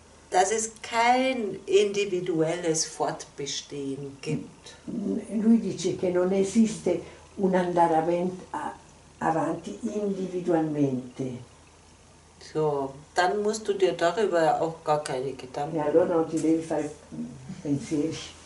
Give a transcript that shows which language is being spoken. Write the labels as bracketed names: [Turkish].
[German] Dass es kein individuelles Fortbestehen gibt. [Italian] Lui dice che non esiste un andare avanti individualmente. [German] So, dann musst du dir darüber auch gar keine Gedanken machen. [Italian] E allora non ti devi fare pensieri.